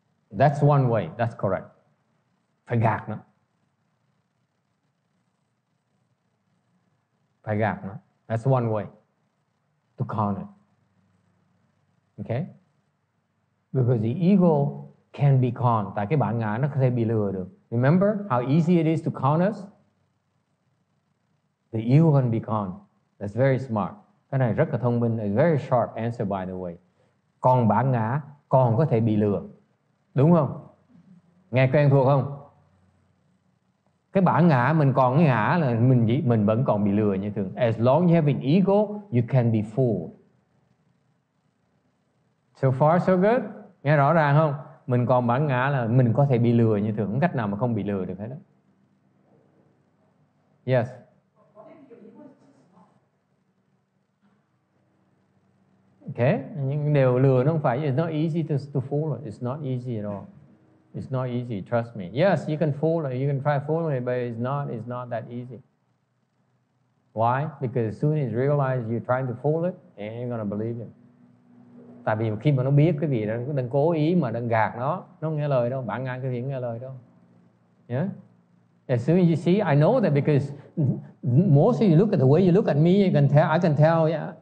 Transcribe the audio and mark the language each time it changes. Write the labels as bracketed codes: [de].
[en] That's one way. That's correct. [vi] Phải gạt nó. [en] That's one way to con it. Okay? Because the ego can be conned. [vi] Tại cái bản ngã nó có thể bị lừa được. [en] Remember how easy it is to con us? The ego can be conned. That's very smart. [vi] Cái này rất là thông minh. [en] A very sharp answer, by the way. [vi] Còn bản ngã còn có thể bị lừa. Đúng không? Nghe quen thuộc không? Cái bản ngã mình còn cái ngã là mình vẫn còn bị lừa như thường. [en] As long as you have an ego, you can be fooled. So far so good. [vi] Nghe rõ ràng không? Mình còn bản ngã là mình có thể bị lừa như thường. Không cách nào mà không bị lừa được hết đó. [en] Yes. [vi] Okay. Những điều lừa nó không phải. [en] It's not easy to fool. It's not easy at all. It's not easy, trust me. Yes, you can fool, you can try fooling it, but it's not that easy. Why? Because as soon as you realize you're trying to fool it, it ain't gonna believe you. [vi] Tại vì khi mà nó biết cái gì, nó đang cố ý mà đang gạt nó nghe lời đâu, bản ngã cái gì nghe lời đâu. [en] Yeah? As soon as you see, I know that because most of you look at the way you look at me, you can tell, I can tell, yeah.